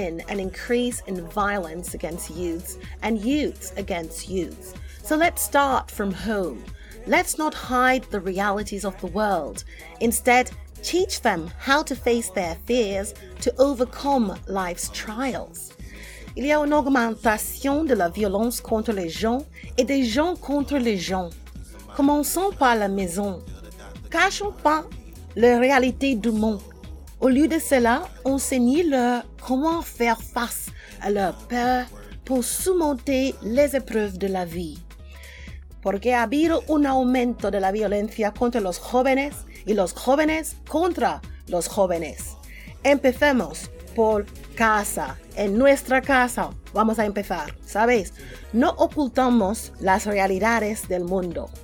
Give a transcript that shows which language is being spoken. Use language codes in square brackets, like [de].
[en] Increase in violence against youths and youths against youths. So let's start from home. Let's not hide the realities of the world. Instead, teach them how to face their fears to overcome life's trials. [fr] Il y a une augmentation de la violence contre les gens et des gens contre les gens. Commençons par la maison. Cachons pas les réalités du monde. Au lieu de cela, enseignez-leur comment faire face à leur peur pour surmonter les épreuves de la vie. [es] Porque ha habido un aumento de la violencia contra los jóvenes y los jóvenes contra los jóvenes. Empecemos por casa, en nuestra casa. Vamos a empezar, ¿sabes? No ocultamos las realidades del mundo.